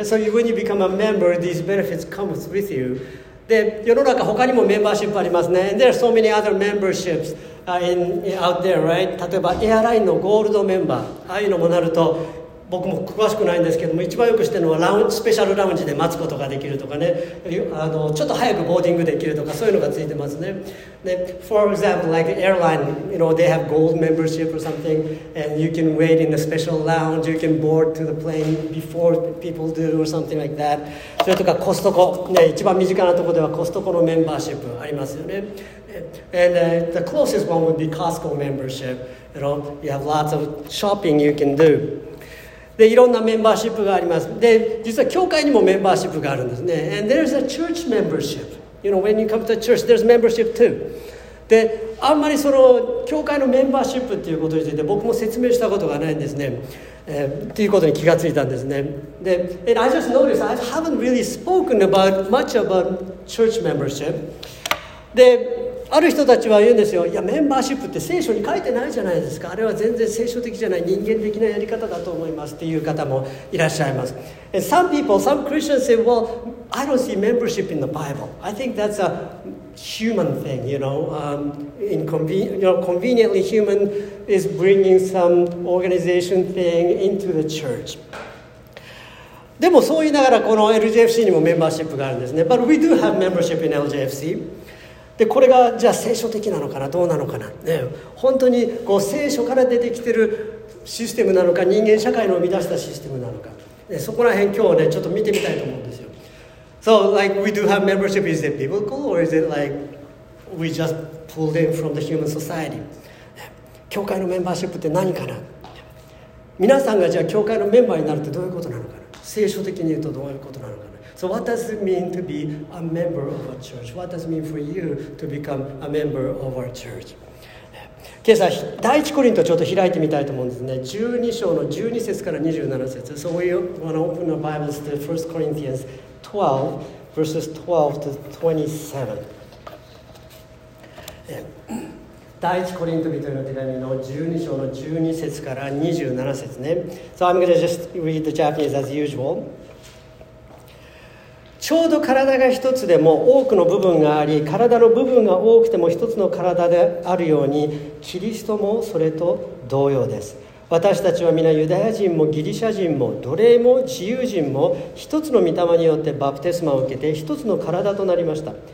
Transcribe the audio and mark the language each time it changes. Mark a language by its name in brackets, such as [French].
[English] So when you become a member, these benefits come with you. [Japanese] で、世の中他にもメンバーシップありますね。 [English] And there are so many other memberships. Out there, right? [Japanese] 例えばエアラインのゴールドメンバー、ああいうのもなると僕も詳しくないんですけども、一番よく知ってるのはラウンジ、スペシャルラウンジで待つことができるとかね、ちょっと早くボーディングできるとか、そういうのがついてますね。 [English] で、For example, like airline, you know, they have gold membership or something, and you can wait in the special lounge, you can board to the plane before people do or something like that. [Japanese] それとかコストコ、ね、一番身近なところではコストコのメンバーシップありますよね。 [English] And the closest one would be Costco membership. You know, you have lots of shopping you can do. [Japanese] で、いろんなメンバーシップがあります。で、実は教会にもメンバーシップがあるんですね。 [English] And there's a church membership. You know, when you come to church, there's membership too. [Japanese] で、あんまりその教会のメンバーシップっていうことについて僕も説明したことがないんですね。っていうことに気がついたんですね。 [English] で、And I just noticed I haven't really spoken about much about church membership. [Japanese] で、ある人たちは言うんですよ。いや、メンバーシップって聖書に書いてないじゃないですか。あれは全然聖書的じゃない、人間的なやり方だと思いますっていう方もいらっしゃいます。 [English] And some people, some Christians say, well, I don't see membership in the Bible. I think that's a human thing, you know.、conveniently human is bringing some organization thing into the church. [Japanese] でもそう言いながら、この LJFC にもメンバーシップがあるんですね。 [English] But we do have membership in LJFC. [Japanese] で、これがじゃあ聖書的なのかな、どうなのかな、ね、本当にこう聖書から出てきてるシステムなのか、人間社会の生み出したシステムなのか、ね、そこら辺今日ねちょっと見てみたいと思うんですよ。 [English] So like we do have membership, is it biblical or is it like we just pulled in from the human society? [Japanese] 教会のメンバーシップって何かな、皆さんがじゃあ教会のメンバーになるってどういうことなのかな、聖書的に言うとどういうことなのかな。 [English] So what does it mean to be a member of a church? What does it mean for you to become a member of our church? [Japanese] 今朝第一コリントちょっと開いてみたいと思うんですね。 12章の12節から27節。 [English] So we want to open our Bibles to 1 Corinthians 12, verses 12 to 27. [Japanese] 第一コリント人への手紙の12章の12節から27節ね。 [English] So I'm going to just read the Japanese as usual. [Japanese] ちょうど体が一つでも多くの部分があり、体の部分が多くても一つの体であるように、キリストもそれと同様です。私たちは皆ユダヤ人もギリシャ人も奴隷も自由人も一つの御霊によってバプテスマを受けて一つの体となりました。